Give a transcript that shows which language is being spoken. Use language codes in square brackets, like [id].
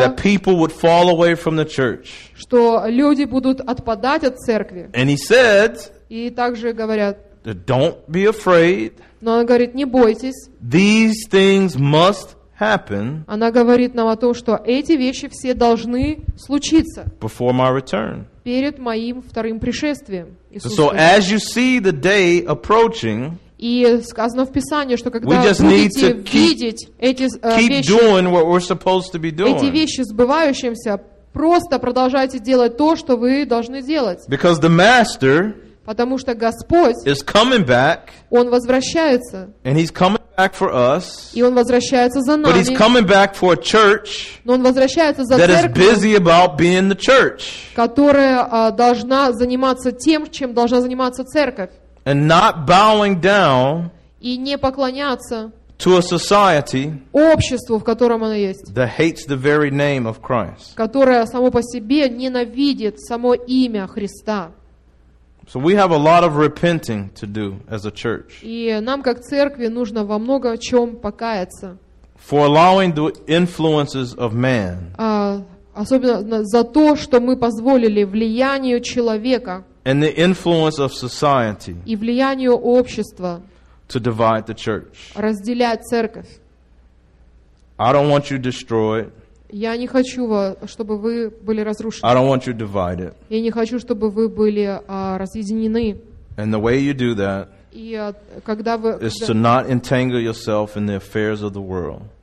[en] That people would fall away from the church. [ru] Что люди будут отпадать от церкви. [en] And he said. [ru] И также говорят. [en] Don't be afraid. [ru] Но она говорит, не бойтесь. [en] These things must happen. [ru] Она говорит нам о том, что эти вещи все должны случиться. [en] Before my return. [ru] Перед моим вторым пришествием. [en] So as you see the day approaching. [ru] И сказано в Писании, что когда будете видеть эти вещи сбывающимися, просто продолжайте делать то, что вы должны делать. [en] Because the master, [ru] потому что Господь, [en] is coming back, [ru] Он возвращается, [en] and he's coming back for us, [ru] и Он возвращается за нами, [en] but he's coming back for a church, [ru] но Он возвращается за [en] that [ru] церковь, [en] is busy about being the church, [ru] которая должна заниматься тем, чем должна заниматься церковь. [en] And not bowing down [ru] и не поклоняться [en] to a society [ru] обществу, в котором оно есть, [en] that hates the very name of Christ. [ru] Которое само по себе ненавидит само имя Христа. [en] So we have a lot of repenting to do as a church. [ru] И нам, как церкви, нужно во много чем покаяться. [en] For allowing the influences of man. [ru] Особенно за то, что мы позволили влиянию человека [en] and the influence of society [ru] и влиянию общества [en] to divide the church. [ru] Разделять церковь. [en] I don't want you destroyed. [ru] Я не хочу, чтобы вы были разрушены. [en] I don't want you divided. [ru] Я не хочу, чтобы вы были разъединены. [en] And the way you do that is to not entangle yourself in the affairs of the world.